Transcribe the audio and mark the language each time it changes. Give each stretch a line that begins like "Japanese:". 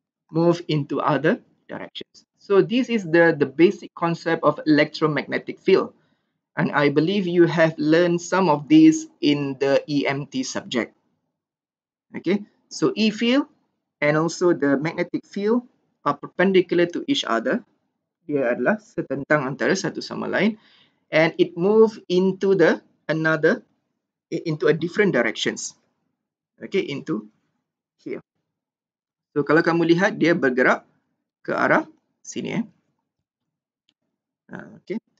English: Move into other directions. So this is the basic concept of electromagnetic field. And I believe you have learned some of these in the EMT subject. Okay, so E field and also the magnetic field are perpendicular to each other.
Malay: Dia adalah setentang antara satu sama lain.
English: And it moves into the another, into a different directions. Okay, into here.
Malay: So kalau kamu lihat, dia bergerak ke arah sini. Eh? Okay.